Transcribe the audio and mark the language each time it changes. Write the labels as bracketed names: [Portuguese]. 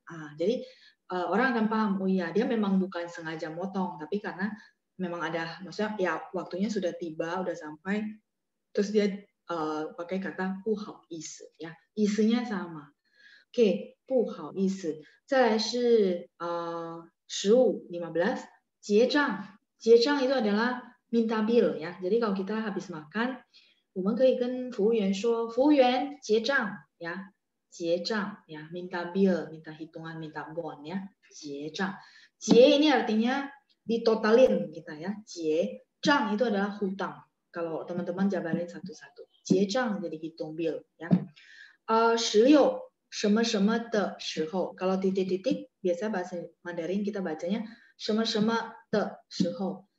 [Indonesian] Ah, jadi, orang akan paham, oh iya, dia memang bukan sengaja motong, tapi karena memang ada, maksudnya, ya waktunya sudah tiba, sudah sampai, terus dia pakai kata puhau isi. Ya. Isinya sama. [Chinese] OK, 不好意思.再来是 15, 15, 结账. [Indonesian] 结账 itu adalah minta bill ya. Jadi kalau kita habis makan, [Chinese] 我们可以跟服务员说, 服务员, 结账 ya. [Indonesian] 结账 ya, minta bill, minta hitungan, minta bon ya. 结账. 结 ini artinya ditotalin kita ya. 结账 itu adalah hutang. Kalau teman-teman jabarin satu-satu. 结账 jadi hitung bill ya. 16 sama-sama de shihou. Kalau titik-titik, biasa bahasa Mandarin kita bacanya sama-sama de shihou.